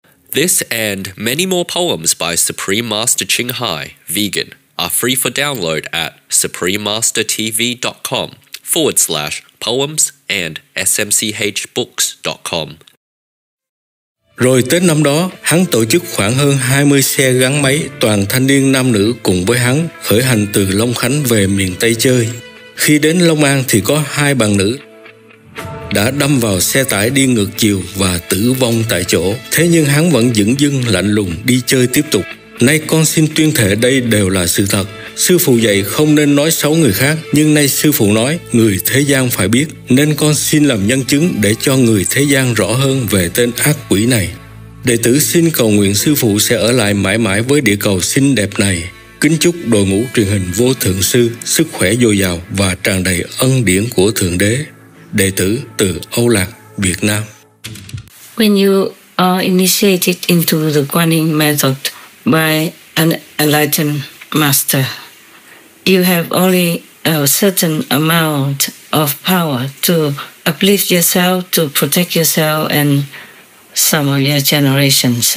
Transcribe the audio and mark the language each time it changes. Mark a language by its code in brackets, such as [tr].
[en] This and many more poems by Supreme Master Ching Hai, vegan, are free for download at suprememastertv.com/poems and smchbooks.com. [vi] Rồi Tết năm đó, hắn tổ chức khoảng hơn 20 xe gắn máy toàn thanh niên nam nữ cùng với hắn khởi hành từ Long Khánh về miền Tây chơi. Khi đến Long An thì có hai bạn nữ đã đâm vào xe tải đi ngược chiều và tử vong tại chỗ. Thế nhưng hắn vẫn dửng dưng lạnh lùng đi chơi tiếp tục. Nay con xin tuyên thệ đây đều là sự thật. Sư phụ dạy không nên nói xấu người khác, nhưng nay sư phụ nói người thế gian phải biết, nên con xin làm nhân chứng để cho người thế gian rõ hơn về tên ác quỷ này. Đệ tử xin cầu nguyện sư phụ sẽ ở lại mãi mãi với địa cầu xinh đẹp này. Kính chúc đội ngũ truyền hình Vô Thượng Sư sức khỏe dồi dào và tràn đầy ân điển của Thượng Đế. Đệ tử từ Âu Lạc, Việt Nam. [en] When you are initiated into the Quan Yin method by an enlightened master, you have only a certain amount of power to uplift yourself, to protect yourself and some of your generations.